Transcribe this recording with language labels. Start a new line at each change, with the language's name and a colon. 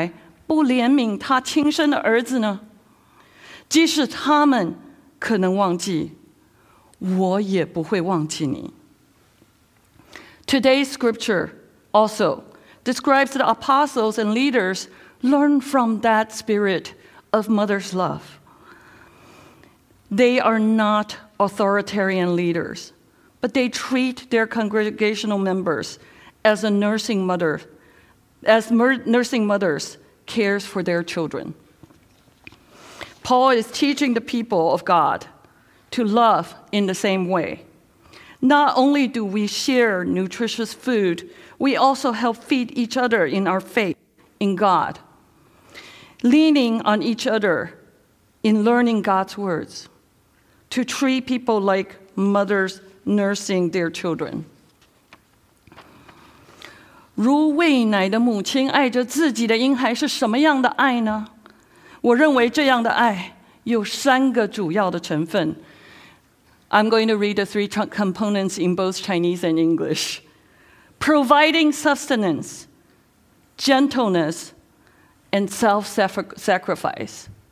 Chinese: 在经文里面，我们看见好几次将神的爱比喻成是母亲的爱。以赛亚书第49章15节：妇人怎能忘记她吃奶的婴孩，不怜悯她亲生的儿子呢？即使他们可能忘记，我也不会忘记你。
English: Today's scripture also describes the apostles and leaders learn from that spirit of mother's love. They are not authoritarian leaders, but they treat their congregational members as a nursing mother, as nursing mothers cares for their children. Paul is teaching the people of God to love in the same way. Not only do we share nutritious food, we also help feed each other in our faith in God, leaning on each other in learning God's words, to treat people like mothers nursing their children.
Chinese: 如喂奶的母亲爱着自己的婴孩是什么样的爱呢? 我认为这样的爱有三个主要的成分。
English: I'm going to read the three components in both Chinese and English. Providing sustenance, gentleness, and self-sacrifice.